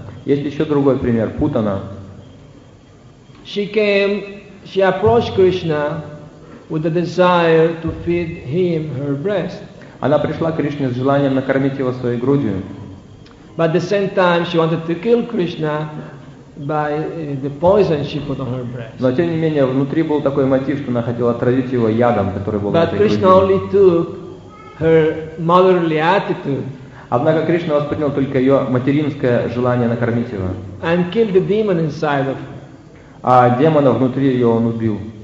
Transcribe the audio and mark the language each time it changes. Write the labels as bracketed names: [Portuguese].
[Russian] Есть еще другой пример Путана. [English] She approached Krishna with a desire to feed him her breast. [Russian] Она пришла к Кришне с желанием накормить его своей грудью. [English] But at the same time she wanted to kill Krishna by the poison she put on her breast. [Russian] Но тем не менее внутри был такой мотив, что она хотела отравить его ядом, который был. [English] But Krishna only took her motherly attitude. [Russian] Однако Кришна воспринял только ее материнское желание накормить его. [English] And killed the demon inside of her. [Russian] А демона внутри ее он убил.